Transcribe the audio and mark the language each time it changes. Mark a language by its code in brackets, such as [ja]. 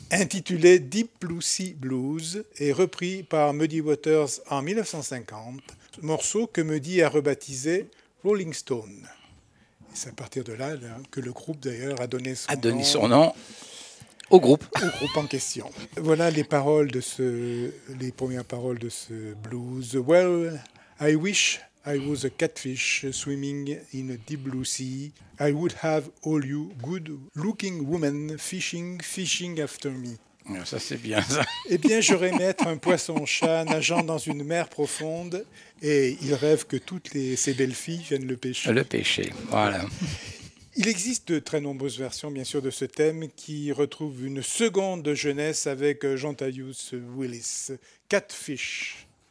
[fr] Intitulé Deep Blue Sea Blues et repris par Muddy Waters en 1950, morceau que Muddy a rebaptisé Rolling Stone. Et c'est à partir de là que le groupe d'ailleurs a donné son nom. Au groupe. Au groupe en question. Voilà les premières paroles de ce blues. [en] Well, I wish I was a catfish swimming in a deep blue sea. I would have all you good looking women fishing after me. [fr] Ça, c'est bien ça. Eh bien, j'aurais maître un poisson-chat nageant dans une mer profonde et il rêve que toutes ses belles filles viennent le pêcher. Le pêcher, voilà. Il existe de très nombreuses versions, bien sûr, de ce thème qui retrouve une seconde jeunesse avec Jontavious Willis, Catfish.